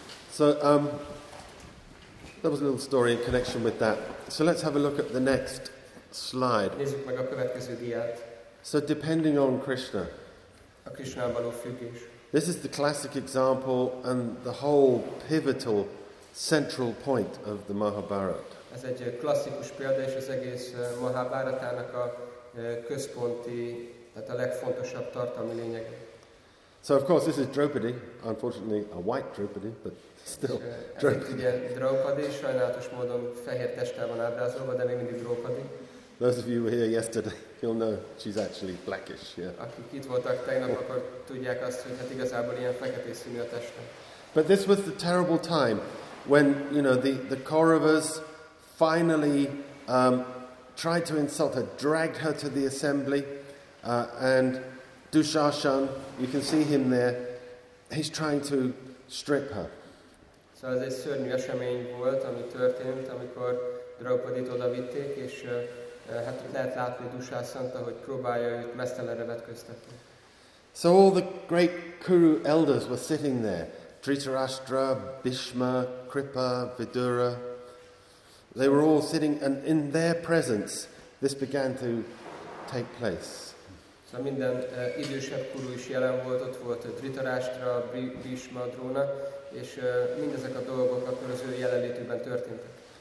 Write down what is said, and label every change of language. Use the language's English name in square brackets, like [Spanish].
[English] So that was a little story in connection with that. So let's have a look at the next slide. [Hungarian] Nézzük meg a következő diát. [English] So depending on Krishna. [Hungarian] A Krishnán való függés. [English] This is the classic example and the whole pivotal central point of the Mahabharata. [Hungarian] Ez egy klasszikus példa, és az egész Mahabharatának a központi, tehát a legfontosabb tartalmi lényege. [English] So of course this is Draupadi, unfortunately a white Draupadi, but still Draupadi. [Hungarian] Ez ugye Draupadi, sajnálatos módon fehér testtel van ábrázolva, de még mindig Draupadi. [English] Those of you who were here yesterday, you'll know she's actually blackish. Yeah. [Hungarian] Akik itt voltak tegnap, akkor tudják azt, hogy hát igazából ilyen fekete színű a teste. [English] But this was the terrible time when, you know, the Kauravas finally tried to insult her, dragged her to the assembly, and Dushasan, you can see him there, he's trying to strip her. [Hungarian] So ez egy szörnyű esemény volt, ami történt, amikor Draupadit odavitték, és hát lehet látni Dushasant, hogy próbálja őt mesztelenre vetköztetni. [English] So all the great Kuru elders were sitting there, Dhritarashtra, Bhishma, Kripa, Vidura. They were all sitting, and in their presence, this began to take place. [Hungarian] So minden idősebb Kuru is jelen volt, ott volt Dhritarashtra, Bhishma, Drona, és mindezek a dolgok akkor az ő jelenlétükben történtek.